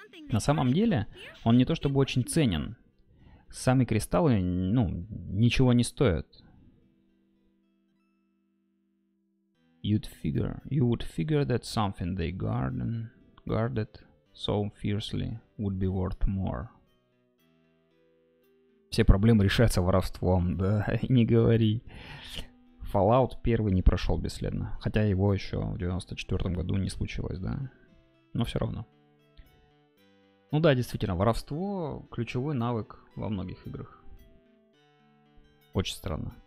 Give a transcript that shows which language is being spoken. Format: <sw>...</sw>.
<ru>На самом деле, он не то чтобы очень ценен. Сами кристаллы, ничего не стоят.</ru> <en>You would figure that something they guarded so fiercely would be worth more.</en> <ru>Все проблемы решаются воровством, да, не говори. Fallout первый не прошел бесследно, хотя его еще в 94 году не случилось, да. Но все равно. Ну да, действительно, воровство ключевой навык во многих играх. Очень странно.</ru>